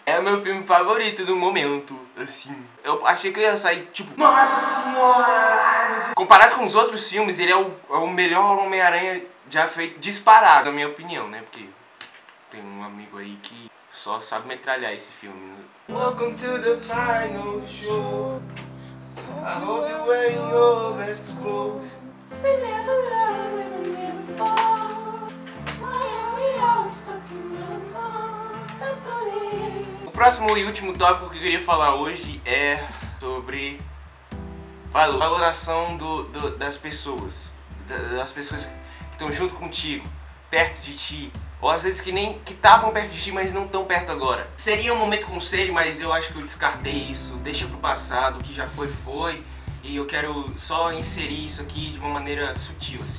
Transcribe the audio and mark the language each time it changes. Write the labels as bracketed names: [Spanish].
[Portuguese] É o meu filme favorito do momento, assim. Eu achei que eu ia sair, tipo, nossa senhora! Comparado com os outros filmes, ele é o melhor Homem-Aranha já feito, disparado, na minha opinião, né? Porque tem um amigo aí que só sabe metralhar esse filme. [English] Welcome to the final show. I hope you wear your best clothes. We never love and we never fall. Why are we always stuck in the police? [Portuguese] O próximo e último tópico que eu queria falar hoje é sobre valor. Valoração das pessoas. Das pessoas que estão junto contigo, perto de ti, ou às vezes que nem que estavam perto de ti, mas não tão perto agora. Seria um momento conselho, mas eu acho que eu descartei isso, deixa pro passado, que já foi, e eu quero só inserir isso aqui de uma maneira sutil. Assim.